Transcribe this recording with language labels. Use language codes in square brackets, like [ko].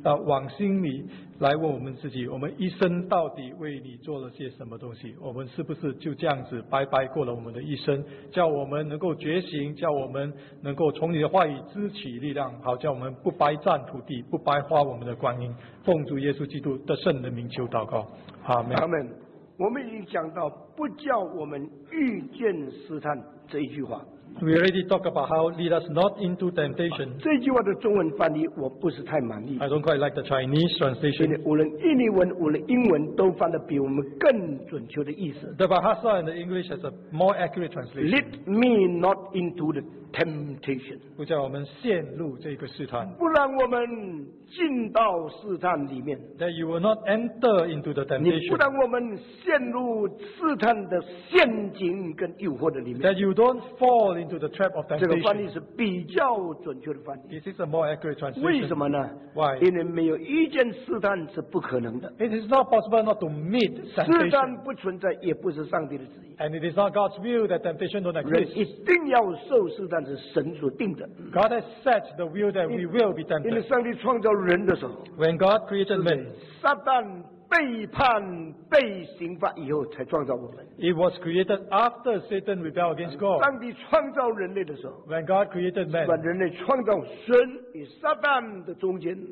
[zh] 往心里来问我们自己，我们一生到底为你做了些什么东西，我们是不是就这样子白白过了我们的一生，叫我们能够觉醒，叫我们能够从你的话语支起力量，好叫我们不白占土地，不白花我们的光阴，奉主耶稣基督的圣人名求祷告，阿们。阿们。我们已经讲到不叫我们遇见试探这一句话。 [en] We already talk about how lead us not into temptation. [zh] 这句话的中文翻译我不是太满意。 [en] I don't quite like the Chinese translation. [zh] 无论印尼文，无论英文，都翻得比我们更准确的意思。 [en] The Bahasa and the English has a more accurate translation. Lead me not into the temptation. [zh] 不叫我们陷入这个试探。不让我们进到试探里面。 [en] That you will not enter into the temptation. [zh] 你不让我们陷入试探的陷阱跟诱惑的里面。 [en] That you don't fall. Into the trap of [zh] 这个翻译是比较准确的翻译。 [en] This is a more accurate translation. [zh] 为什么呢 [en] ？Why？ [zh] 因为没有遇见试探是不可能的。 [en] It is not possible not to meet temptation. [zh] 试探不存在，也不是上帝的旨意。 [en] And it is not God's will that temptation don't exist. [zh] 人一定要受试探是神所定的。 [en] God has set the will that we will be tempted. [zh] 因为上帝创造人的时候 [en] ，When God created man， [zh] 撒旦。背叛被刑罚以后才创造我们。 [en] It was created after Satan rebelled against God. [zh] 上帝创造人类的时候 [en] ，When God created man， [zh] 把人类创造神与撒旦的中间。